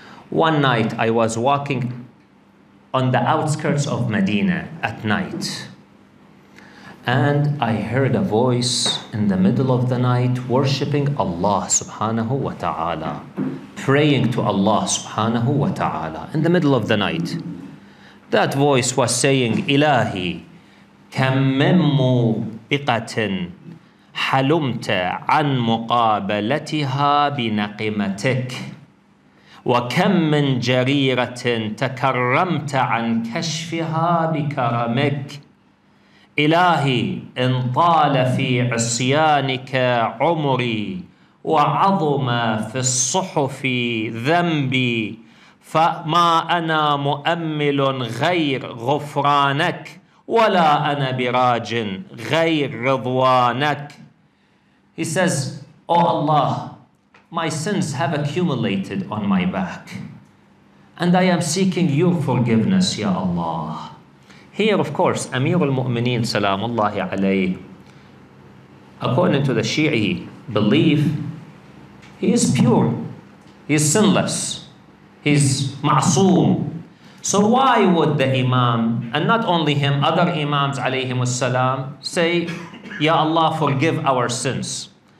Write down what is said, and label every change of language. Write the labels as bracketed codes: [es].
[en] One night I was walking on the outskirts of Medina at night, and I heard a voice in the middle of the night worshipping Allah subhanahu wa ta'ala, praying to Allah subhanahu wa ta'ala in the middle of the night. That voice was saying, [ar] Ilahi, كَمَّمُّ بِقَةٍ حَلُمْتَ عَنْ مُقَابَلَتِهَا بِنَقِمَتِكَ وَكَمْ مِنْ جَرِيرَةٍ تَكَرَّمْتَ عَنْ كَشْفِهَا بِكَرَمِكَ إِلَهِ إِنْ طَالَ فِي عِصْيَانِكَ عُمُرِي وَعَظُمَ فِي الصُّحُفِ ذَنْبِي فَمَا أَنَا مُؤَمِّلٌ غَيْرْ غُفْرَانَكَ وَلَا أَنَا بِرَاجٍ غَيْرِ رِضْوَانَكَ. [en] He says, O Allah, my sins have accumulated on my back, and I am seeking your forgiveness, Ya Allah. Here, of course, Amir al-Mu'mineen, Salamullahi alayhi, according to the Shi'i belief, he is pure, he is sinless, he is ma'soom. So why would the Imam, and not only him, other Imams alayhim as-salam, say, Ya Allah, forgive our sins?